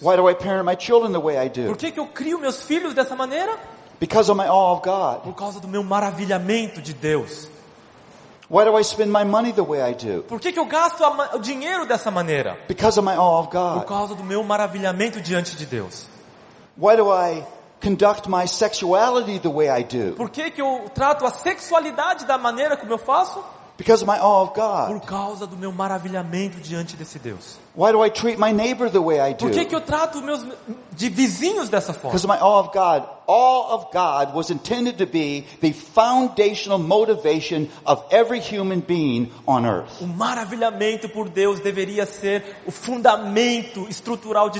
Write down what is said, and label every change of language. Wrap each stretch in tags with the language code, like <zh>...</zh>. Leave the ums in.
<pt>Por que, que eu crio meus filhos dessa maneira?</pt> <en>Because of my awe of God.</en> <pt>Por causa do meu maravilhamento de Deus. Por que, que eu gasto o dinheiro dessa maneira?</pt> <en>Because of my awe of God.</en> <pt>Por causa do meu maravilhamento diante de Deus.</pt> <en>Why do I conduct my sexuality the way I do?</en> <pt>Por que, que eu trato a sexualidade da maneira como eu faço? Por causa do meu maravilhamento diante desse Deus. Por que, é que eu trato meus de vizinhos dessa forma?</pt> <en>Because of my awe of God. All of God was intended to be the foundational motivation of every human being on earth.</en> <pt>O maravilhamento por Deus deveria ser o fundamento estrutural de</pt>